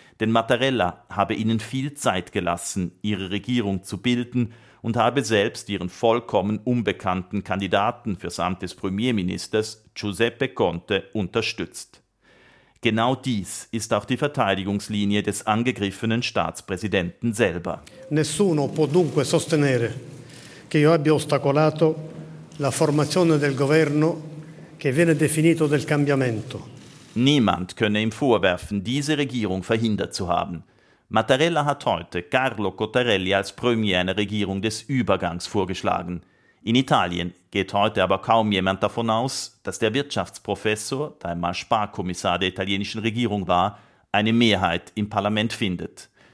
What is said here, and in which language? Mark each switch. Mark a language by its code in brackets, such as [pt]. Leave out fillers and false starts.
[de] Denn Mattarella habe ihnen viel Zeit gelassen, ihre Regierung zu bilden und habe selbst ihren vollkommen unbekannten Kandidaten fürs Amt des Premierministers Giuseppe Conte unterstützt. Genau dies ist auch die Verteidigungslinie des angegriffenen Staatspräsidenten selber. [it] Nessuno può dunque sostenere che io abbia ostacolato la formazione del governo che viene definito del cambiamento. [de] Niemand könne ihm vorwerfen, diese Regierung verhindert zu haben. Mattarella hat heute Carlo Cottarelli als Premier einer Regierung des Übergangs vorgeschlagen. In Italien geht heute aber kaum jemand davon aus, dass der Wirtschaftsprofessor, der einmal Sparkommissar der italienischen Regierung war, eine Mehrheit im Parlament findet.